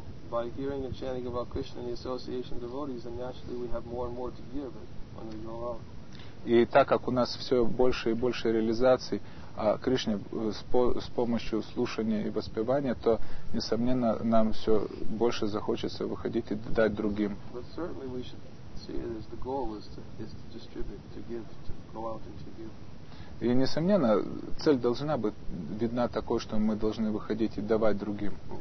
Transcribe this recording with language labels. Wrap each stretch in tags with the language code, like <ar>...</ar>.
<en>By hearing and chanting about Krishna and the association of devotees, then naturally we have more and more to give when we go out.</en> <ru>И так как у нас все больше и больше реализаций о Кришне с помощью слушания и воспевания, то несомненно нам все больше захочется выходить и дать другим.</ru> <en>But certainly we should see it as the goal is to distribute, to give, to go out and to give.</en> <ru>И, несомненно, цель должна быть видна такой, что мы должны выходить и давать другим.</ru>